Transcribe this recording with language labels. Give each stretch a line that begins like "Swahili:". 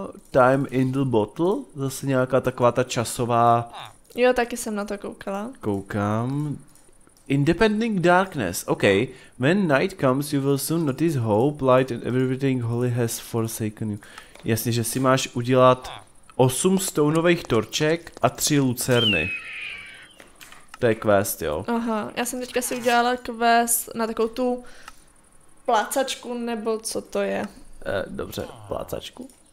Czech: Time in the bottle, zase nějaká taková ta časová... Jo, taky jsem na to koukala. Koukám. Independent darkness, ok.
English: When night comes, you will soon notice hope, light and everything holy has forsaken you.
Czech: Jasně, že si máš udělat 8 stoneových torček a 3 lucerny. To je quest, jo. Aha, já jsem teďka si udělala quest na takovou tu plácačku, nebo co to je. Dobře, plácačku.